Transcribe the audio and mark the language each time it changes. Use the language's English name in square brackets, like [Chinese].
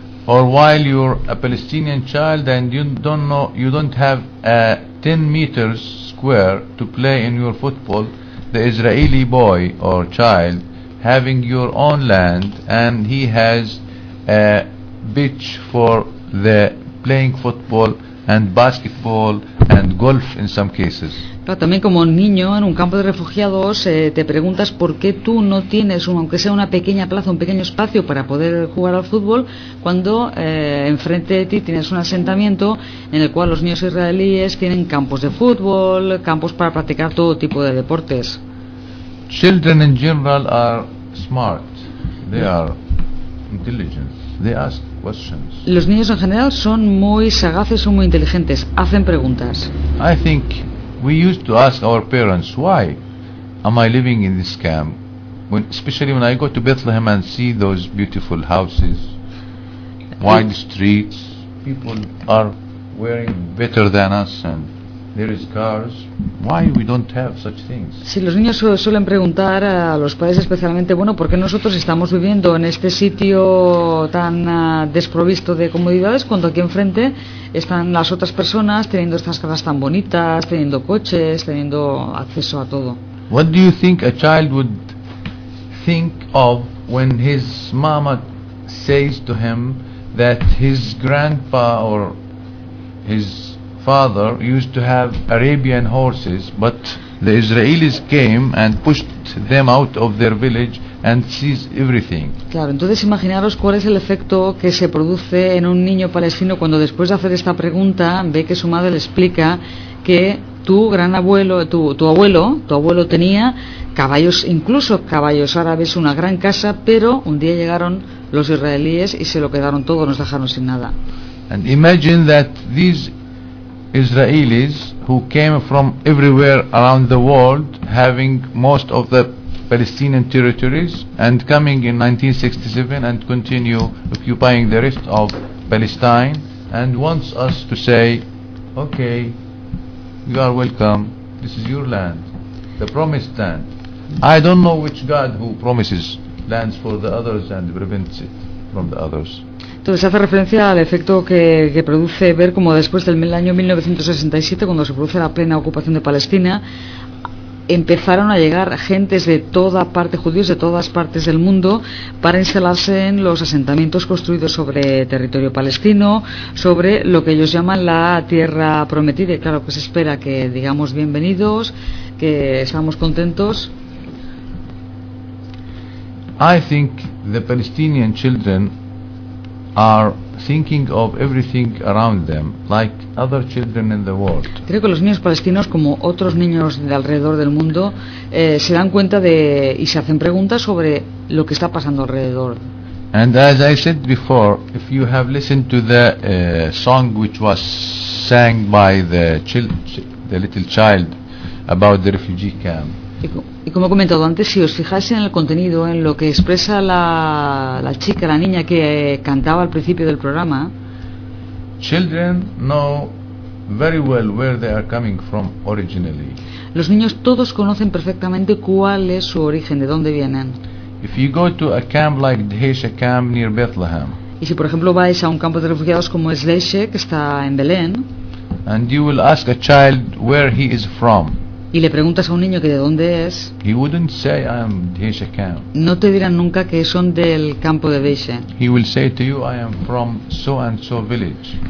[English] or while you're a Palestinian child and you don't know, you don't have 10 meters square to play in your football, the Israeli boy or child having your own land and he has a pitch for the playing football and basketball and golf in some cases. [Spanish] Pero también como niño en un campo de refugiados te preguntas por qué tú no tienes aunque sea una pequeña plaza, un pequeño espacio para poder jugar al fútbol cuando enfrente de ti tienes un asentamiento en el cual los niños israelíes tienen campos de fútbol, campos para practicar todo tipo de deportes. [English] Children in general are smart. They are intelligent. They ask questions. [Spanish] Los niños en general son muy sagaces, son muy inteligentes, hacen preguntas. [English] I think we used to ask our parents, why am I living in this camp? When, especially when I go to Bethlehem and see those beautiful houses, wide streets, people are wearing better than us and there is cars. Why we don't have such things? [Spanish] Si los niños suelen preguntar a los padres especialmente, bueno, ¿por qué nosotros estamos viviendo en este sitio tan desprovisto de comodidades cuando aquí enfrente están las otras personas teniendo estas casas tan bonitas, teniendo coches, teniendo acceso a todo? [English] What do you think a child would think of when his mama says to him that his grandpa or his father used to have Arabian horses, but the Israelis came and pushed them out of their village and seized everything. [Spanish] Claro, entonces imaginaros cuál es el efecto que se produce en un niño palestino cuando después de hacer esta pregunta ve que su madre le explica que tu gran abuelo, tu abuelo tenía caballos, incluso caballos árabes, una gran casa, pero un día llegaron los israelíes y se lo quedaron todo, nos dejaron sin nada. [English] And imagine that these Israelis who came from everywhere around the world having most of the Palestinian territories and coming in 1967 and continue occupying the rest of Palestine and wants us to say, okay, you are welcome, this is your land, the promised land. I don't know which God who promises lands for the others and prevents it from the others. [Spanish] Entonces hace referencia al efecto que produce ver como después del año 1967, cuando se produce la plena ocupación de Palestina, empezaron a llegar gentes de toda parte, judíos de todas partes del mundo, para instalarse en los asentamientos construidos sobre territorio palestino, sobre lo que ellos llaman la tierra prometida. Y claro que se espera que digamos bienvenidos, que estamos contentos. [English] I think the Palestinian children are thinking of everything around them like other children in the world. [Spanish] Creo que los niños palestinos, como otros niños de alrededor del mundo, se dan cuenta de y se hacen preguntas sobre lo que está pasando alrededor. [English] And as I said before, if you have listened to the song which was sang by the little child about the refugee camp. [Spanish] Y como he comentado antes, si os fijáis en el contenido, en lo que expresa la chica, la niña que cantaba al principio del programa, [English] children know very well where they are coming from originally. [Spanish] Los niños todos conocen perfectamente cuál es su origen, de dónde vienen. [English] If you go to a camp like Dehesha camp near Bethlehem, [Spanish] y si por ejemplo vais a un campo de refugiados como es Dehesha, que está en Belén, [English] and you will ask a child where he is from, [Spanish] y le preguntas a un niño que de dónde es, [English] he wouldn't say, I am Dehesha camp. [Spanish] No te dirán nunca que son del campo de Dehesha. [English] He will say to you, I am from so and so village.